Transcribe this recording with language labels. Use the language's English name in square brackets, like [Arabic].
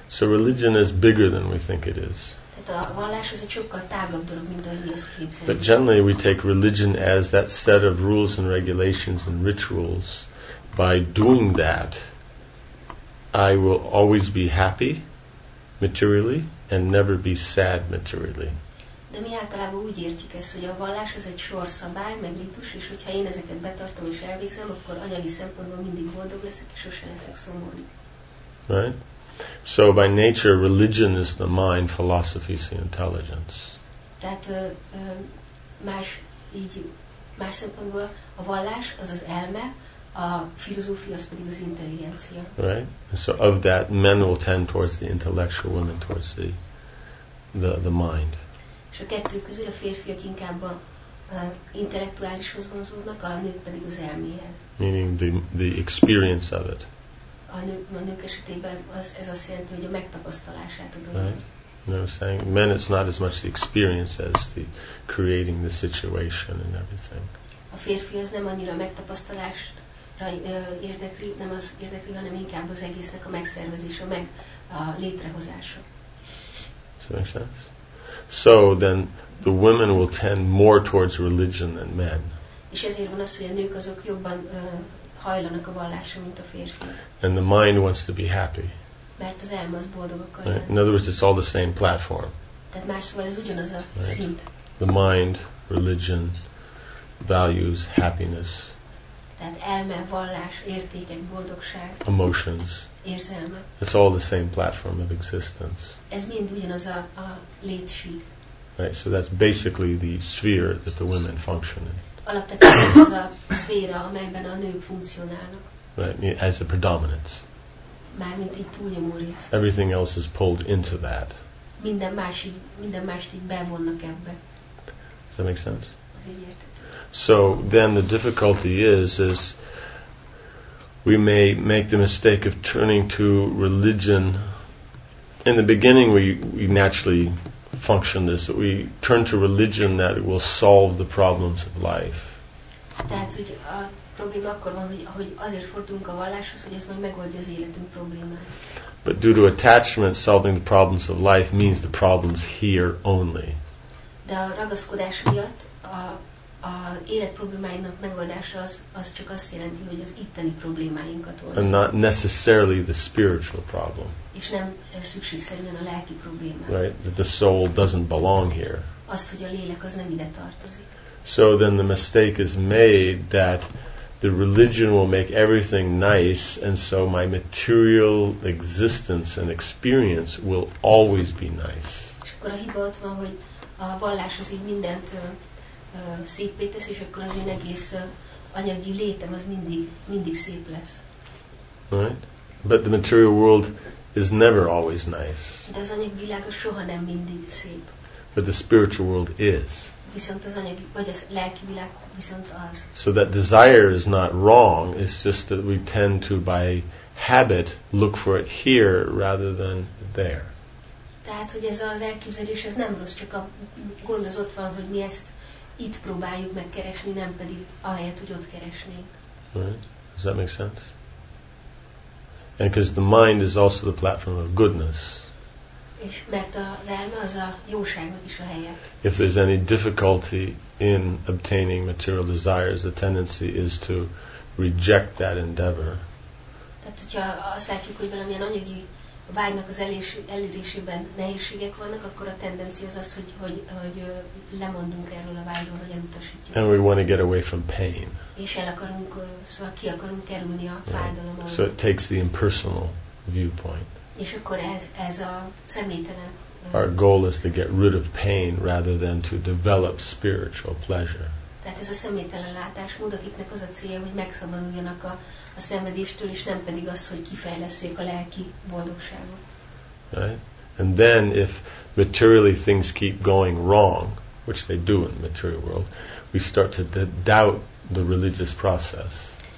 [English] So religion is bigger than we think it is. [Hungarian] Tehát a vallás az egy sokkal tágabb dolog, mint ahogy azt képzeljük. [English] But generally we take religion as that set of rules and regulations and rituals. By doing that, I will always be happy materially and never be sad materially. [Hungarian] De mi általában úgy értjük ezt, hogy a vallás az egy sorszabály, meg ritus, és hogyha én ezeket betartom és elvégzem, akkor anyagi szempontból mindig boldog leszek, és sosem leszek szomorú. [English] Right? So by nature, religion is the mind, philosophy is the intelligence. [Hungarian] Tehát más szempontból a vallás az az elme, a filozófia az pedig az intelligencia. [English] Right? So of that, men will tend towards the intellectual, women towards the mind. [Hungarian] És a kettő közül a férfiak inkább a intellektuálishoz vonzódnak, a nők pedig az elméhez. [English] Meaning the experience of it. [Hungarian] A nők esetében ez azt jelenti, hogy a megtapasztalását a dolog. [English] Right? You know what I'm saying? Men, it's not as much the experience as the creating the situation and everything. [Hungarian] A férfi az nem annyira megtapasztalást érdekli, nem az érdekli, hanem inkább az egésznek a megszervezése, meg a létrehozása. [English] Does that make sense? So then the women will tend more towards religion than men. [Hungarian] És ezért van az, hogy a nők azok jobban hajlanak a vallásra, mint a férfi. [English] And the mind wants to be happy. [Hungarian] Mert az elme az boldog akar. [English] Right? In other words, it's all the same platform. [Hungarian] Tehát másszóval ez ugyanaz a [English] right? [Hungarian] Szint. [English] The mind, religion, values, happiness. [Hungarian] Tehát elme, vallás, értékek, boldogság. [English] Emotions. [Hungarian] Érzelme. [English] It's all the same platform of existence. [Hungarian] Ez mind ugyanaz a létség. [English] Right, so that's basically the sphere that the women function in. [Hungarian] Alapvetően ez az a szféra, amelyben a nők funkcionálnak. [English] Right, as a predominance. [Hungarian] Mármint így túlnyomó részt. [English] Everything else is pulled into that. [Hungarian] Minden mást így bevonnak ebbe. [English] Does that make sense? [Hungarian] Az így értek. [English] So then the difficulty is we may make the mistake of turning to religion. In the beginning we naturally function this, that we turn to religion that will solve the problems of life. [Hungarian] Tehát, hogy a probléma akkor van, hogy azért fordulunk a valláshoz, hogy ez majd megoldja az életünk problémát. [English] But due to attachment, solving the problems of life means the problems here only. [Hungarian] De a ragaszkodás miatt a élet problémáinak megoldása az csak azt jelenti, hogy az itteni problémáinkat oldja. [English] And not necessarily the spiritual problem. [Hungarian] És nem szükségszerűen a lelki problémát. [English] Right, that the soul doesn't belong here. [Hungarian] Azt, hogy a lélek az nem ide tartozik. [English] So then the mistake is made that the religion will make everything nice, and so my material existence and experience will always be nice. [Hungarian] És akkor a hiba ott van, hogy a vallás az így mindent szépé tesz, és akkor az én egész anyagi létem az mindig szép lesz. [English] Right? But the material world is never always nice. [Hungarian] De az anyagi világ az soha nem mindig szép. [English] But the spiritual world is. [Hungarian] Viszont az anyagi, vagy az lelki világ viszont az. [English] So that desire is not wrong, it's just that we tend to, by habit, look for it here rather than there. [Hungarian] Tehát, hogy ez az elképzelés, ez nem rossz, csak a gond az ott van, hogy mi ezt itt próbáljuk megkeresni, nem pedig ahelyett, hogy ott keresnénk. [English] Right. Does that make sense? And because the mind is also the platform of goodness. [Hungarian] És mert az elme az a jóságnak is a helye. [English] If there's any difficulty in obtaining material desires, the tendency is to reject that endeavor. [Hungarian] Tehát, hogyha azt látjuk, hogy valamilyen anyagi vágynak az elérésében nehézségek vannak, akkor a tendencia az, hogy lemondunk erről a vágyról, vagy elutasítjuk. [English] And we want to get away from pain. [Hungarian] És el akarunk, szóval ki akarunk kerülni a fájdalomról. [English] So it takes the impersonal viewpoint. [Hungarian] És akkor ez a személytelen. [English] Our goal is to get rid of pain rather than to develop spiritual pleasure. [Hungarian] Tehát ez a személytelen látásmód, akiknek az a célja, hogy megszabaduljanak a szenvedéstől, és nem pedig az, hogy kifejlesszék a lelki boldogságot. [English] Right? And then if materially things keep going wrong, which they do in the material world, we start to doubt the religious process.